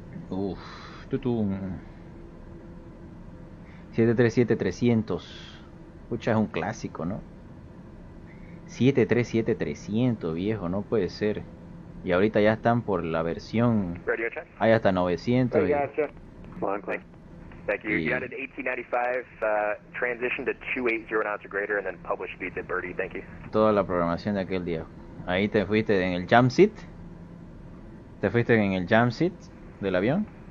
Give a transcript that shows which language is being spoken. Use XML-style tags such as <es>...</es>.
<es>Uf, tutum. 737-300. Pucha, es un clásico, ¿no? 737-300, viejo, no puede ser. Y ahorita ya están por la versión. Hay hasta 900.</es> <en>Radio check. Thank you. United 1895, transition to 280 knots or greater, and then publish speeds at birdie. Thank you.</en> <es>Toda la programación de aquel día. Ahí te fuiste en el jump seat. Te fuiste en el jump seat del avión.</es>